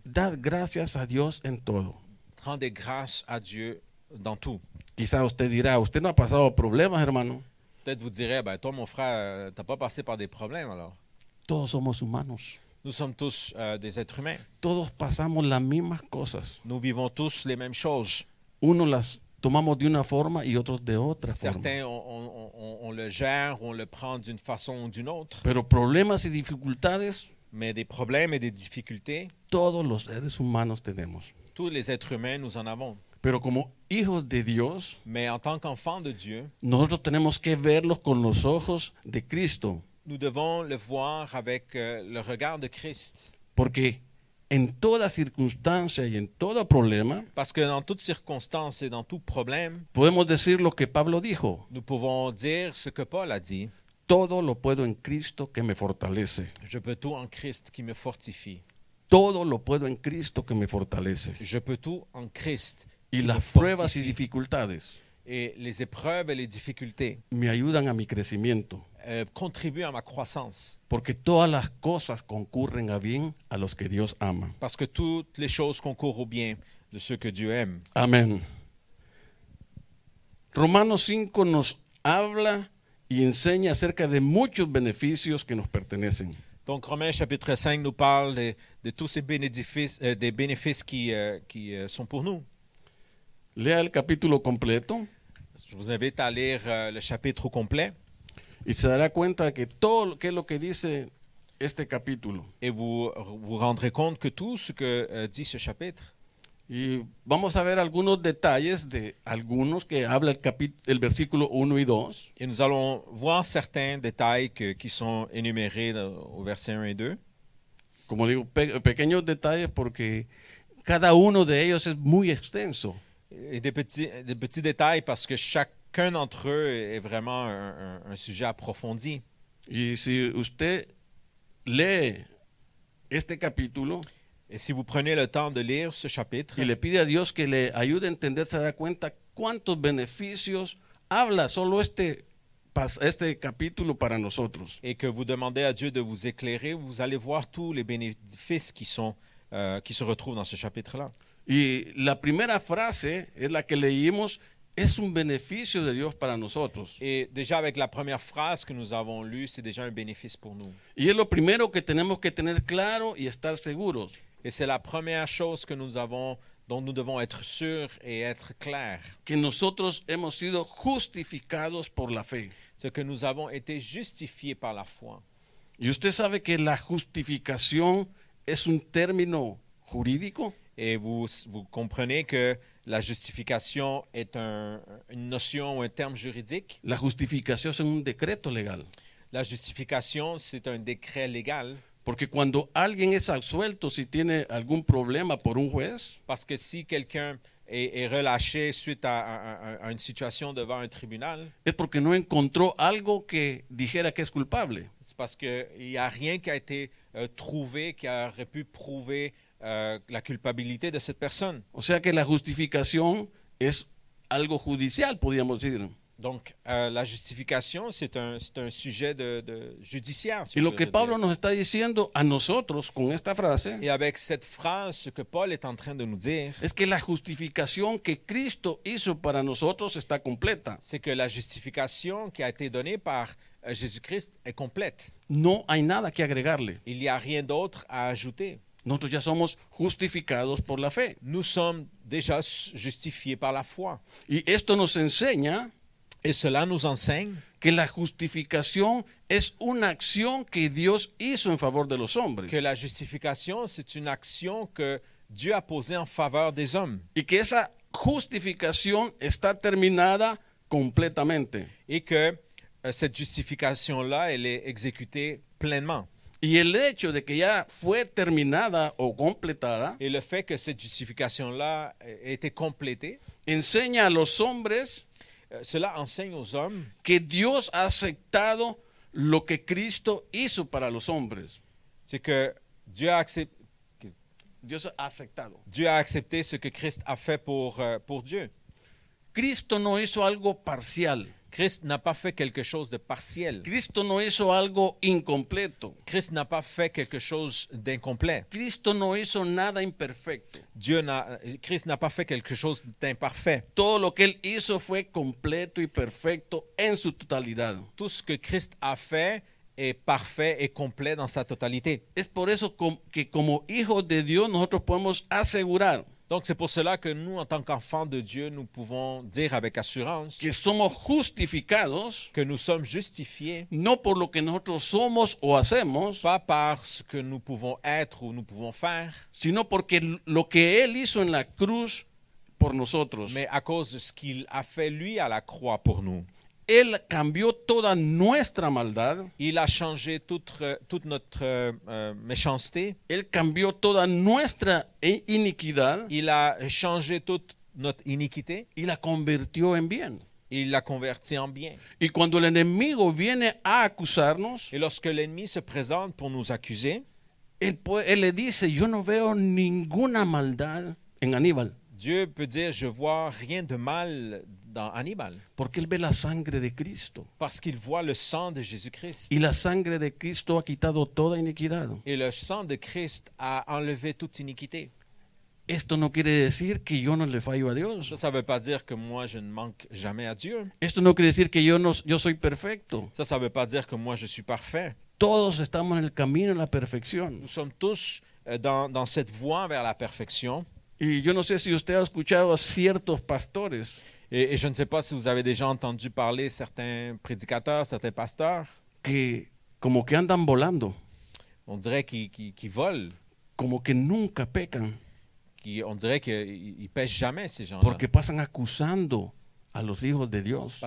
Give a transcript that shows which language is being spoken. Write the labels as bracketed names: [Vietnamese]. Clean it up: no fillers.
[Spanish] Dar gracias a Dios en todo. [French] Rendre grâce à Dieu dans tout. [Spanish] Quizá usted dirá, usted no ha pasado problemas, hermano. [French] Peut-être vous direz, toi mon frère, t'as pas passé par des problèmes alors. [Spanish] Todos somos humanos. [French] Nous sommes tous des êtres humains. [Spanish] Todos pasamos las mismas cosas. [French] Nous vivons tous les mêmes choses. [Spanish] Uno las tomamos de una forma y otros de otra forma. [French] Certains on le gère, on le prend d'une façon ou d'une autre. [Spanish] Pero problemas y dificultades, [French] mais des problèmes et des difficultés, [Spanish] todos los seres humanos tenemos. [French] Tous les êtres humains nous en avons. [Spanish] Pero como hijos de Dios, [French] mais en tant qu'enfants de Dieu, [Spanish] nosotros tenemos que verlos con los ojos de Cristo. [French] Nous devons le voir avec le regard de Christ. [Spanish] Porque en toda circunstancia y en todo problema, [French] parce que dans toute circonstance et dans tout problème, [Spanish] podemos decir lo que Pablo dijo. [French] Nous pouvons dire ce que Paul a dit. [Spanish] Todo lo puedo en Cristo que me fortalece. [French] Je peux tout en Christ qui me fortifie. [Spanish] Todo lo puedo en Cristo que me fortalece. [French] Je peux tout en Christ. [Spanish] Y las pruebas y dificultades. [French] Et les épreuves et les difficultés [Spanish] me ayudan a mi crecimiento. [French] Contribuent à ma croissance. [Spanish] Porque todas las cosas concurren a bien a los que Dios ama. [French] Parce que toutes les choses concourent au bien de ceux que Dieu aime. [Spanish] Amén. Romanos 5 nos habla y enseña acerca de muchos beneficios que nos pertenecen. [French] Donc Romains chapitre 5 nous parle de tous ces bénéfices des bénéfices qui sont pour nous. [Spanish] Lea el capítulo completo. [French] Je vous invite à lire le chapitre complet. [Spanish] Y se dará cuenta que todo lo que es lo que dice este capítulo. [French] Et vous rendrez compte que tout ce que dit ce chapitre. [Spanish] Y vamos a ver algunos detalles de algunos que habla el versículo 1 y 2. [French] Et nous allons voir certains détails qui sont énumérés au verset 1 et 2. [Spanish] Como digo, pequeños detalles porque cada uno de ellos es muy extenso. [French] Et des petits détails parce que chacun d'entre eux est vraiment un sujet approfondi. [Spanish] Et si usted lee este capítulo, [French] et si vous prenez le temps de lire ce chapitre, [Spanish] y le pide a Dios que le ayude a entender, se da cuenta cuántos beneficios habla solo este capítulo para nosotros. [French] Et que vous demandez à Dieu de vous éclairer, vous allez voir tous les bénéfices qui se retrouvent dans ce chapitre-là. [Spanish] Y la primera frase es la que leímos, es un beneficio de Dios para nosotros. [French] Et déjà avec la première phrase que nous avons lue, c'est déjà un bénéfice pour nous. [Spanish] Y es lo primero que tenemos que tener claro y estar seguros. [French] Et c'est la première chose que nous avons, dont nous devons être sûrs et être clairs. [Spanish] Que nosotros hemos sido justificados por la fe. [French] Ce que nous avons été justifiés par la foi. [Spanish] Y usted sabe que la justificación es un término jurídico. [French] Et vous comprenez que la justification est une notion ou un terme juridique. La justification, c'est un décret légal. La justification, c'est un décret légal. [Spanish] Porque cuando alguien es absuelto si tiene algún problema por un juez, [French] parce que si quelqu'un est relâché suite à une situation devant un tribunal, [Spanish] es porque no encontró algo que dijera que es culpable. [French] C'est parce que il y a rien qui a été trouvé qui aurait pu prouver la culpabilité de cette personne. [Spanish] O sea que [French] la justification est [Spanish] algo judicial, podríamos decir. [French] Donc la justification c'est un sujet de judiciaire. [Spanish] Y lo que Pablo nos está diciendo a nosotros con esta frase. [French] Et avec cette phrase que Paul est en train de nous dire. [Spanish] Es que la justificación que Cristo hizo para nosotros está completa. [French] C'est que la justification qui a été donnée par Jésus-Christ est complète. [Spanish] No hay nada que agregarle. [French] Il y a rien d'autre à ajouter. [Spanish] Nosotros ya somos justificados por la fe. [French] Nous sommes déjà justifiés par la foi. [Spanish] Y esto nos enseña. [French] Et cela nous enseigne [Spanish] que la justification es una acción que Dios hizo en favor de los hombres. [French] Que la justification c'est une action que Dieu a posée en faveur des hommes. [Spanish] Y que esa justificación está terminada completamente. [French] Et que cette justification là elle est exécutée pleinement. [Spanish] Y el hecho de que ya fue terminada o completada, [French] et le fait que cette justification là était complétée, [Spanish] enseña a los hombres. [French] Cela enseigne aux hommes [Spanish] que Dios ha aceptado lo que Cristo hizo para los hombres. [French] C'est que Dieu a accepté ce que Christ a fait pour Dieu. [Spanish] Cristo no hizo algo parcial. [French] Christ n'a pas fait quelque chose de partiel. [Spanish] Cristo no hizo algo incompleto. [French] Christ n'a pas fait quelque chose d'incomplet. [Spanish] Cristo no hizo nada imperfecto. [French] Christ n'a pas fait quelque chose d'imparfait. [Spanish] Todo lo que él hizo fue completo y perfecto en su totalidad. [French] Tout ce que Christ a fait est parfait et complet dans sa totalité. [Spanish] Es por eso que como hijos de Dios nosotros podemos asegurar. [French] Donc c'est pour cela que nous en tant qu'enfants de Dieu nous pouvons dire avec assurance [Spanish] que somos justificados, [French] que nous sommes justifiés, [Spanish] no por lo que nosotros somos o hacemos, [French] pas par ce que nous pouvons être ou nous pouvons faire, [Spanish] sino porque lo que él hizo en la cruz por nosotros, [French] mais à cause de ce qu'il a fait lui à la croix pour nous. [Spanish] Él cambió toda nuestra maldad. [French] Il a changé toute notre méchanceté. [Spanish] Él cambió toda nuestra iniquidad. [French] Il a changé toute notre iniquité. [Spanish] Y la convirtió en bien. [French] Il l'a converti en bien. [Spanish] Y cuando el enemigo viene a acusarnos, [French] et lorsque l'ennemi se présente pour nous accuser, [Spanish] él le dice, yo no veo ninguna maldad en Aníbal. [French] Dieu peut dire, je vois rien de mal dans Hannibal. [Spanish] Porque él ve la sangre de Cristo. [French] Parce qu'il voit le sang de Jésus-Christ. [Spanish] Y la sangre de Cristo ha quitado toda iniquidad. [French] Et le sang de Christ a enlevé toute iniquité. [Spanish] Esto no quiere decir que yo no le fallo a Dios. [French] Ça veut pas dire que moi je ne manque jamais à Dieu. [Spanish] Esto no quiere decir que yo soy perfecto. [French] Ça veut pas dire que moi je suis parfait. [Spanish] Todos estamos en el camino de la perfección. [French] Nous sommes tous dans cette voie vers la perfection. [Spanish] Y yo no sé si usted ha escuchado a ciertos pastores. [French] Et je ne sais pas si vous avez déjà entendu parler certains prédicateurs, certains pasteurs. [Spanish] Que, como que andan volando. [French] On dirait qu'ils volent. [Spanish] Como que nunca pecan. [French] On dirait qu'ils ne pêchent jamais, ces gens-là. [Spanish] Porque pasan acusando a los hijos de Dios.